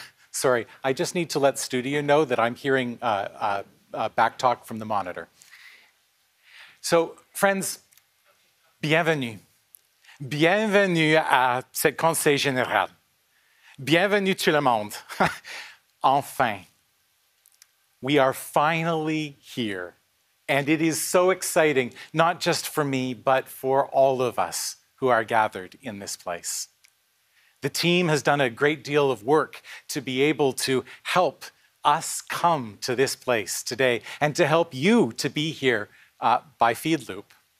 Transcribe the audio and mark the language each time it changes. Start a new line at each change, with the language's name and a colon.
English: Sorry, I just need to let studio know that I'm hearing back talk from the monitor. So, friends,
French: bienvenue. Bienvenue à ce Conseil général. Bienvenue tout le monde. Enfin,
English: we are finally here. And it is so exciting, not just for me, but for all of us who are gathered in this place. The team has done a great deal of work to be able to help us come to this place today and to help you to be here by feed loop.